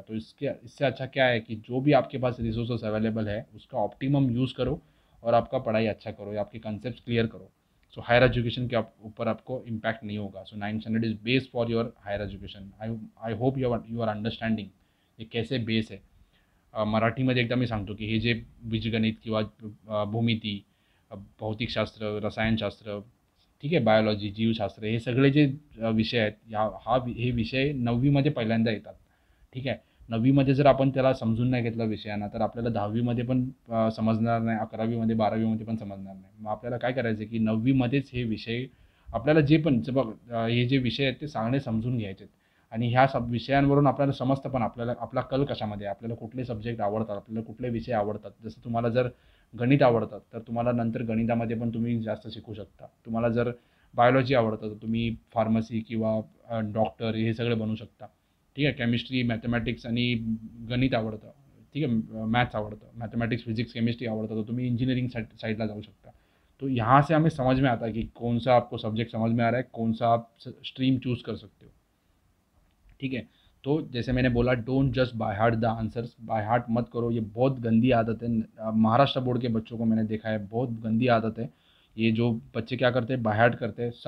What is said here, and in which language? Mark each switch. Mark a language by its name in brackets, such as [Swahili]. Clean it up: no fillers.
[Hindi] तो इससे अच्छा क्या है कि जो भी आपके पास रिसोर्सेज अवेलेबल है उसका ऑप्टिमम यूज़ करो और आपका पढ़ाई अच्छा करो या आपके कॉन्सेप्ट्स क्लियर करो। सो हायर एजुकेशन के ऊपर आपको इम्पैक्ट नहीं होगा। [English] So 900 is base for your higher education. I hope you are understanding [Hindi] ये कैसे बेस है। [Marathi] मराठी मध्ये एकदा मी सांगतो की हे जे बीजगणित किंवा भूमिती भौतिकशास्त्र रसायनशास्त्र ठीक आहे बायोलॉजी जीवशास्त्र हे सगळे जे विषय आहेत हे विषय 9वीमध्ये पहिल्यांदा येतात। ठीक आहे 9वीमध्ये जर आपण त्याला समजून नाही घेतला विषयांना तर आपल्याला 10वीमध्ये पण समजणार नाही 11वीमध्ये 12वीमध्ये पण समजणार नाही। मग आपल्याला काय करायचं की 9वीमध्येच हे विषय आपल्याला जे पण बघ हे जे विषय आहेत ते सांगणे समजून घ्यायचे आहेत आणि ह्या सब विषयांवरून आपल्याला समजतं पण आपल्याला आपला कल कशामध्ये आहे आपल्याला कुठले सब्जेक्ट आवडतात आपल्याला कुठले विषय आवडतात। जसं तुम्हाला जर गणित आवडतं तर तुम्हाला नंतर गणितामध्ये पण तुम्ही जास्त शिकू शकता। तुम्हाला जर बायोलॉजी आवडतं तर तुम्ही फार्मसी किंवा डॉक्टर हे सगळे बनू शकता। ठीक आहे केमिस्ट्री मॅथमॅटिक्स आणि गणित आवडतं ठीक आहे मॅथ्स आवडतं मॅथमॅटिक्स फिजिक्स केमिस्ट्री आवडतं तर तुम्ही इंजिनिअरिंग साईडला जाऊ शकता। [Hindi] तो यहां से हमें समझ में आता है कि कौन सा आपको सब्जेक्ट समझ में आ रहा है कौन सा आप स्ट्रीम चूज कर सकते हो। ठीक है तो जैसे मैंने बोला [English] don't just by heart the answers [Hindi] by heart मत करो ये बहुत गंदी आदत है। महाराष्ट्र बोर्ड के बच्चों को मैंने देखा है बहुत गंदी आदत है ये जो बच्चे क्या करते हैं बाय हार्ट करते हैं।